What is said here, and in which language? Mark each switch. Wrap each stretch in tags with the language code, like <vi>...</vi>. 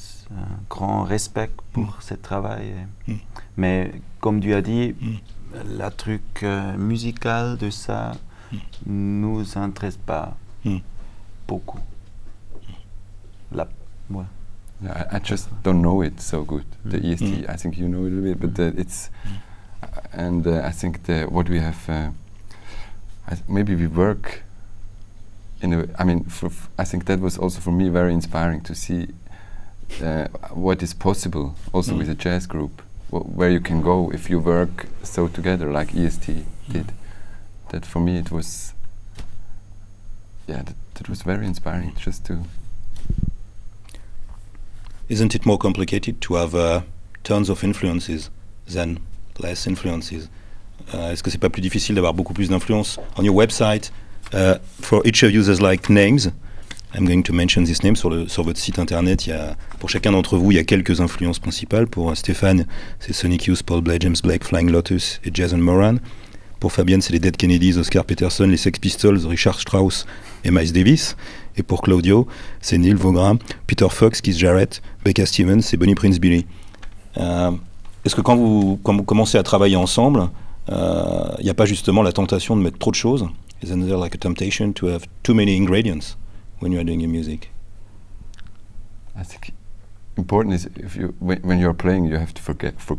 <fr>Un grand respect pour ce travail. Mais comme tu as dit, la truc musical de ça nous intéresse pas beaucoup.</fr> <en>I just don't know it so good. The EST, I think you know it a little bit, but it's and I think the what we have maybe we work in a, I mean for I think that was also for me very inspiring to see what is possible also with a jazz group, where you can go if you work so together like EST did. That for me it was that was very inspiring just to. Isn't it more complicated to have tons of influences than less influences?</en> <fr>Est-ce que c'est pas plus difficile d'avoir beaucoup plus d'influence?</fr> <en>On your website, for each of you there's like names. I'm going to mention this name.</en> <fr>Sur votre site internet, il y a, pour chacun d'entre vous, il y a quelques influences principales. Pour Stéphane, c'est Sonic Youth, Paul Blay, James Blake, Flying Lotus et Jason Moran. Pour Fabienne, c'est les Dead Kennedys, Oscar Peterson, les Sex Pistols, Richard Strauss et Miles Davis. Et pour Claudio, c'est Neil Vaugrin, Peter Fox, Keith Jarrett, Becca Stevens et Bonnie Prince Billy. Est-ce que quand vous commencez à travailler ensemble, il n'y a pas justement la tentation de mettre trop de choses?</fr> <en>Isn't there like a temptation to have too many ingredients when you are doing your music? I think important is if you when you are playing, you have to forget.</en>